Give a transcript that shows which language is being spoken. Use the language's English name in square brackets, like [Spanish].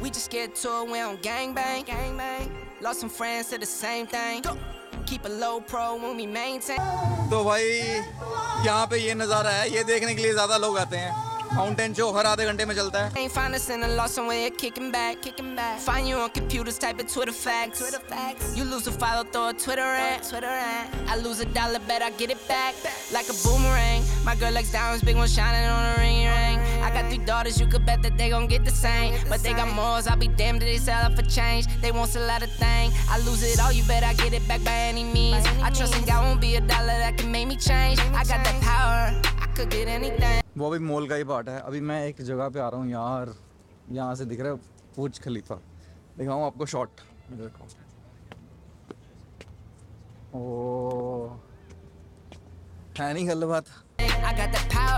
[English] We just get to it, we don't gang bang. Gang bang. Lost some friends, said the same thing. Go. Keep a low pro when we maintain. [Hindi] तो भाई यहाँ पे ये नजारा है, ये देखने के लिए ज़्यादा लोग आते हैं। फाउंटेन शो हर आधे घंटे में चलता है। [English] Ain't find us in a lost somewhere, kicking back. Find you on computers, type in Twitter facts. You lose a follow, throw a Twitter at. I lose a dollar, bet I get it back. Like a boomerang. My girl likes diamonds, big one shining on a ring. I got 3 daughters, you could bet that they gon' get the same. But they got morals, I'll be damned if they sell up for change. They won't sell out a thing. I lose it all, you bet I get it back by any means. I trust in God, won't be a dollar that can make me change. I got that power, I could get anything. [Hindi] वो अभी mall का ही part है। अभी मैं एक जगह पे आ रहा हूँ यार, यहाँ से दिख रहा है बुर्ज खलीफा, दिखाऊँ आपको शॉट। [Punjabi] ओ है नहीं गल बात।